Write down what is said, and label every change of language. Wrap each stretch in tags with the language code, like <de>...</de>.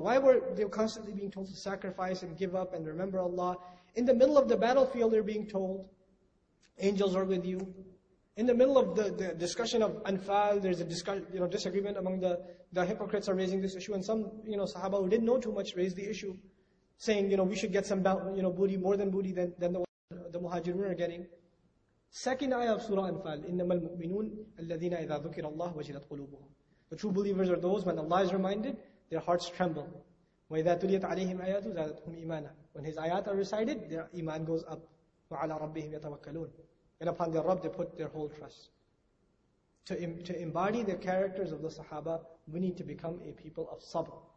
<en>Why were they constantly being told to sacrifice and give up and remember Allah? In the middle of the battlefield, they're being told, angels are with you. In the middle of the discussion of Anfal, there's a disagreement among the hypocrites are raising this issue, and some, you know, Sahaba who didn't know too much raised the issue, saying, you know, we should get some booty, more than booty than the Muhajirun are getting. Second ayah of Surah Anfal,</en> <ar>إِنَّمَا الْمُؤْمِنُونَ الَّذِينَ إِذَا ذُكِرَ اللَّهُ وَجِلَتْ قُلُوبُهُمْ.</ar> <en>The true believers are those, when Allah is reminded, their hearts tremble.</en> <ar>وَإِذَا تُلِيَتْ عَلَيْهِمْ آيَاتُ زَادَتْهُمْ إِيمَانًا.</ar> <en>When His ayat are recited, their iman goes up.</en> <ar>وَعَلَىٰ رَبِّهِمْ يَتَوَكَّلُونَ.</ar> <en>And upon their Rabb, they put their whole trust. To embody the characters of the Sahaba, we need to become a people of sabr.</en>